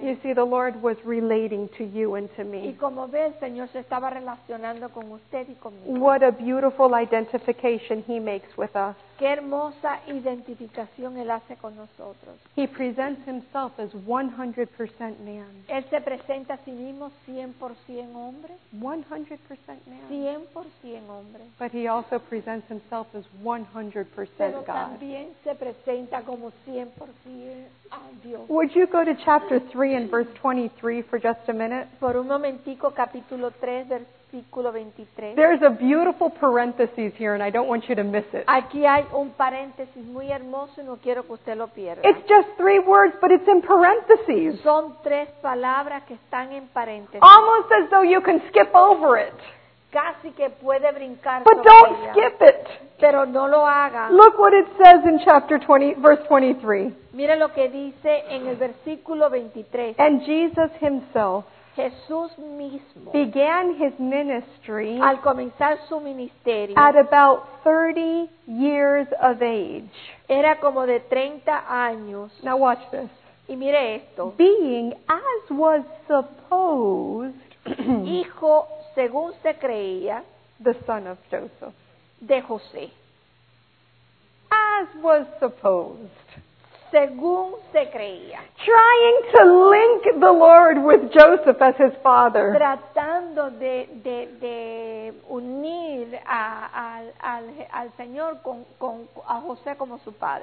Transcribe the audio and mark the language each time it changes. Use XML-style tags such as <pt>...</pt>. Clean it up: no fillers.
<en>You see, the Lord was relating to you and to me.</en> <es>Y como ve, el Señor se estaba relacionando con usted y conmigo.</es> <en>What a beautiful identification he makes with us.</en> <es>Qué hermosa identificación él hace con nosotros.</es> <en>He presents himself as 100% man.</en> <es>Él se presenta a sí mismo 100% hombre.</es> <en>100% man.</en> <es>100% hombre.</es> <en>But he also presents himself as 100% God.</en> <es>Pero también se presenta como 100% Dios.</es> <en>Would you go to chapter 3 and verse 23 for just a minute?</en> <es>Por un momentico, capítulo 3, versículo 23.</es> <en>There's a beautiful parenthesis here and I don't want you to miss it.</en> <es>Aquí hay un paréntesis muy hermoso y no quiero que usted lo pierda.</es> <en>It's just 3 words, but it's in parentheses.</en> <es>Son 3 palabras que están en paréntesis.</es> <en>Almost as though you can skip over it.</en> <es>Casi que puede brincar.</es> <en>But don't skip it.</en> <es>Pero no lo haga.</es> <en>Look what it says in chapter 20, verse 23.</en> <es>Mire lo que dice en el versículo 23.</es> <en>And Jesus himself,</en> <es>Jesús mismo,</es> <en>began his ministry</en> <es>al comenzar su ministerio</es> <en>at about 30 years of age.</en> <es>Era como de 30 años.</es> <en>Now watch this.</en> <es>Y mire esto.</es> <en>Being as was supposed</en> <es>hijo según se creía</es> <en>the son of Joseph.</en> <es>De José.</es> <en>as was supposed.</en> <es>Según se creía.</es> <en>Trying to link the Lord with Joseph as his father.</en> <es>Tratando de unir al Señor con a José como su padre.</es>